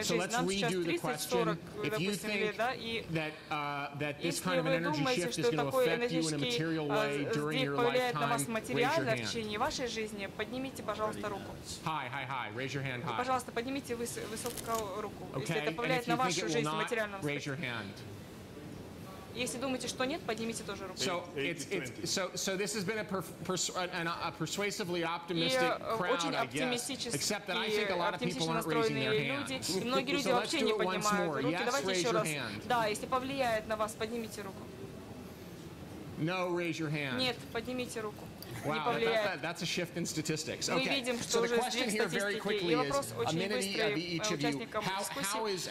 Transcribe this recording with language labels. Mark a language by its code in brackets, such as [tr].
[en] So let's redo the question. If you think that that this kind of an energy shift is going to affect you in a material way during your lifetime, raise your hand. Hi, raise your hand high. Okay, and if you think it will not, raise your hand. [ru] Если думаете, что нет, поднимите тоже руку. [en] So this has been a persuasively optimistic crowd, I guess. Except that I think a lot of people aren't raising their hands. [ru] И многие люди вообще не поднимают руки. Давайте еще раз. Да, если повлияет на вас, поднимите руку. [en] No, raise your hand. [ru] Нет, поднимите руку. не повлияет. [en] Wow, that's a shift in statistics. Okay. [ru] Мы видим, что уже здесь статистики. И вопрос очень быстрый участникам дискуссии.